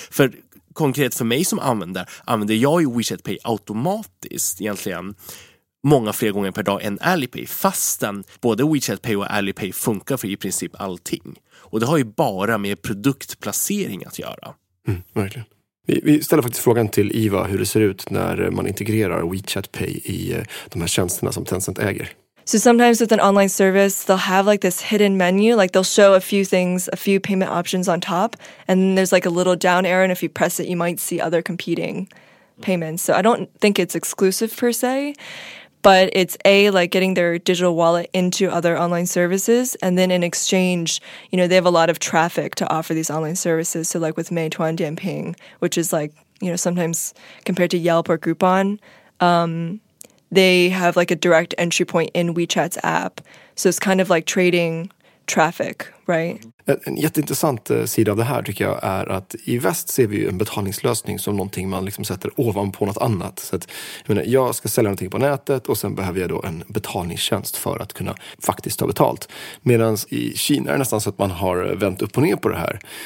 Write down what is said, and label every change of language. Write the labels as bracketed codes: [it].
[sv] För konkret för mig som använder, använder jag ju WeChat Pay automatiskt egentligen många fler gånger per dag än Alipay, fastän både WeChat Pay och Alipay funkar för i princip allting. Och det har ju bara med produktplacering att göra. Mm, verkligen. Vi ställer faktiskt frågan till Eva hur det ser ut när man integrerar WeChat Pay i de här tjänsterna som Tencent äger. [en] So sometimes with an online service, they'll have like this hidden menu, like they'll show a few things, a few payment options on top, and there's like a little down arrow, and if you press it, you might see other competing payments. So I don't think it's exclusive per se, but it's A, like getting their digital wallet into other online services, and then in exchange, you know, they have a lot of traffic to offer these online services. So like with Meituan Dianping, which is like, you know, sometimes compared to Yelp or Groupon, they have like a direct entry point in WeChat's app. So it's kind of like trading traffic, right? [sv] En jätteintressant sida av det här tycker jag är att i väst ser vi ju en betalningslösning som någonting man liksom sätter ovanpå något annat. Så att, jag menar, jag ska sälja någonting på nätet och sen behöver jag då en betalningstjänst för att kunna faktiskt ta betalt. Medan i Kina är det nästan så att man har vänt upp och ner på det här.